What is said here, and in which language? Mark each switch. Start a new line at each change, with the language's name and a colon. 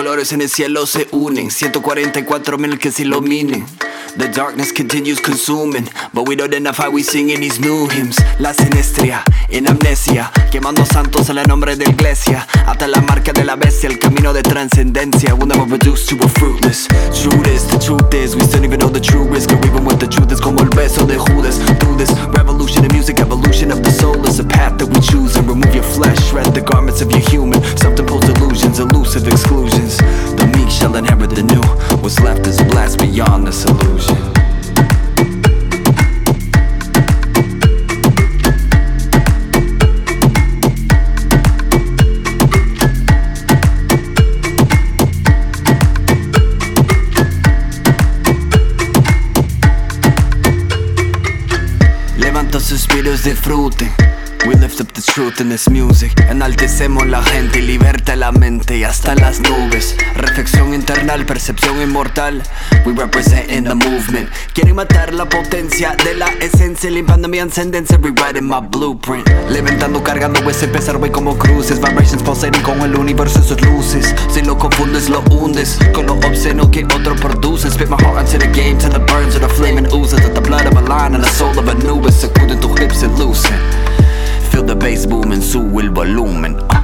Spanish: En el cielo se unen 144,000 que se iluminen.
English: The darkness continues consuming, but we don't identify, we sing in these new hymns.
Spanish: La sinestria, en amnesia, quemando santos en el nombre de iglesia. Hasta la marca de la bestia, el camino de trascendencia.
English: Wound up reduced to a fruitless Judas. The truth is, we still don't even know the true risk. Or even what the truth is,
Spanish: como el beso de Judas.
English: Through this revolution of music, evolution of the soul is a path that we choose. And remove your flesh, shred the garments of your human. Self-imposed illusions, elusive exclusions. The meek shall inherit the new. What's left is a blast beyond the solution. Illusion.
Spanish: suspiros disfruten.
English: We lift up the truth in this music.
Spanish: Enaltecemos la gente y liberta la mente y hasta las nubes. Reflexión interna, percepción inmortal.
English: We represent in the movement.
Spanish: Quieren matar la potencia de la esencia, limpando mi ascendencia,
English: rewriting my blueprint.
Spanish: Levantando, cargando ese pesar, voy como cruces.
English: Vibrations pulsating
Spanish: con el universo y sus luces. Si lo confundes, lo hundes con lo obsceno que otro produce.
English: Spit my heart into the game, to the burns, to the flaming oozes, to the blood of a lion and the soul of a nubes.
Spanish: Sacuden tus
English: hips and loosen. Feel the bass booming,
Spanish: sube el volumen.